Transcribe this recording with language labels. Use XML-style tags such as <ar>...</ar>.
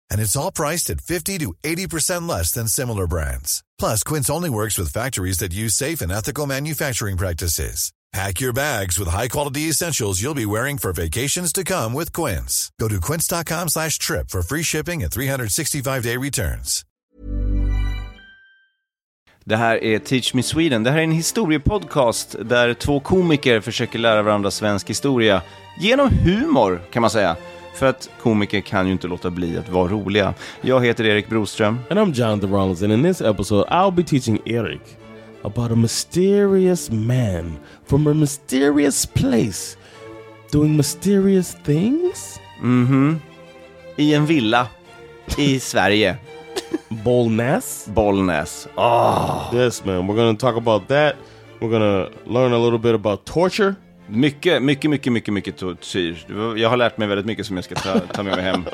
<en>And it's all priced at 50 to 80% less than similar brands. Plus, Quince only works with factories that use safe and ethical manufacturing practices. Pack your bags with high-quality essentials you'll be wearing for vacations to come with Quince. Go to quince.com/trip for free shipping and 365-day returns.</en> <sv>Det här är Teach Me Sweden. Det här är en historiepodcast där två komiker försöker lära varandra svensk historia. Genom humor, kan man säga. För att komiker kan ju inte låta bli att vara roliga. Jag heter Erik Broström.</sv> <en>And I'm Jonathan Rollins. And in this episode I'll be teaching Erik about a mysterious man from a mysterious place doing mysterious things.</en> <sv>Mm-hmm. I en villa i Sverige. Bollnäs. Oh.</sv> <en>Yes, man. We're going to talk about that. We're going to learn a little bit about torture.</en> <sv>Mycket tortyr. Jag har lärt mig väldigt mycket som jag ska ta med mig hem.</sv>